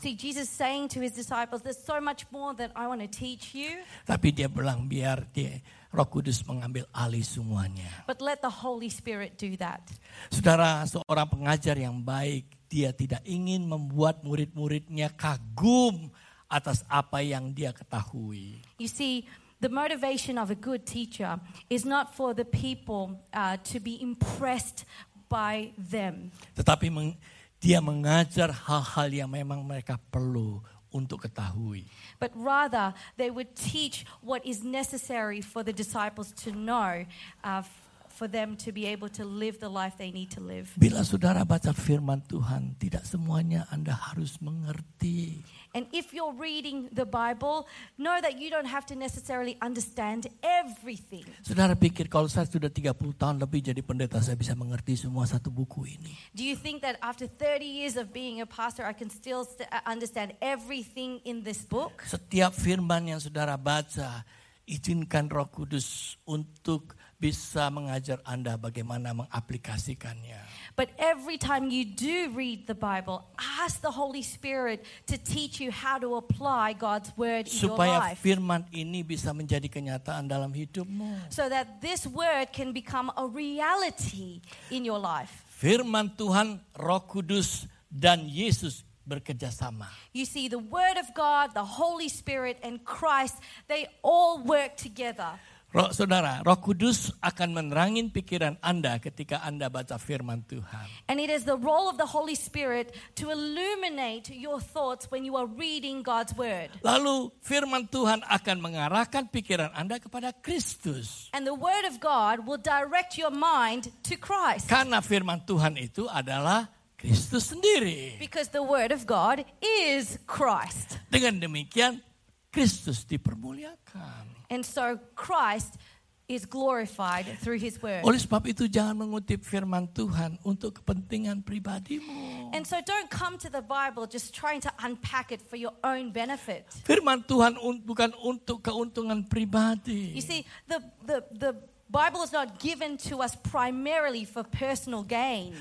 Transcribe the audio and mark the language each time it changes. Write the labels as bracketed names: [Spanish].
[English] See, Jesus saying to His disciples, there's so much more that I want to teach you. [Indonesian] Tapi Dia bilang, biar Dia Roh Kudus mengambil alih semuanya. [English] But let the Holy Spirit do that. [Indonesian] Saudara, seorang pengajar yang baik, dia tidak ingin membuat murid-muridnya kagum atas apa yang dia ketahui. [English] You see, the motivation of a good teacher is not for the people to be impressed by them. [Indonesian] Tetapi dia mengajar hal-hal yang memang mereka perlu untuk ketahui. [English] But rather, they would teach what is necessary for the disciples to know for them to be able to live the life they need to live. [Indonesian] Bila saudara baca firman Tuhan, tidak semuanya Anda harus mengerti. [English] And if you're reading the Bible, know that you don't have to necessarily understand everything. [Indonesian] Saudara pikir kalau saya sudah 30 tahun lebih jadi pendeta, saya bisa mengerti semua satu buku ini? [English] Do you think that after 30 years of being a pastor, I can still understand everything in this book? [Indonesian] Setiap firman yang saudara baca, izinkan Roh Kudus untuk bisa mengajar Anda bagaimana mengaplikasikannya. [English] But every time you do read the Bible, ask the Holy Spirit to teach you how to apply God's word in your life. [Indonesian] Supaya firman ini bisa menjadi kenyataan dalam hidupmu. [English] So that this word can become a reality in your life. [Indonesian] Firman Tuhan, Roh Kudus, dan Yesus bekerja sama. [English] You see, the word of God, the Holy Spirit, and Christ, they all work together. [Indonesian] Saudara, Roh Kudus akan menerangin pikiran Anda ketika Anda baca firman Tuhan. [English] And it is the role of the Holy Spirit to illuminate your thoughts when you are reading God's word. [Indonesian] Lalu firman Tuhan akan mengarahkan pikiran Anda kepada Kristus. [English] And the word of God will direct your mind to Christ. [Indonesian] Karena firman Tuhan itu adalah Kristus sendiri. [English] Because the word of God is Christ. [Indonesian] Dengan demikian, Kristus dipermuliakan. [English] And so Christ is glorified through his word. [Indonesian] Oleh sebab itu jangan mengutip firman Tuhan untuk kepentingan pribadimu. [English] And so don't come to the Bible just trying to unpack it for your own benefit. [Indonesian] Firman Tuhan bukan untuk keuntungan pribadi. [English] You see, the Bible is not given to us primarily for personal gain.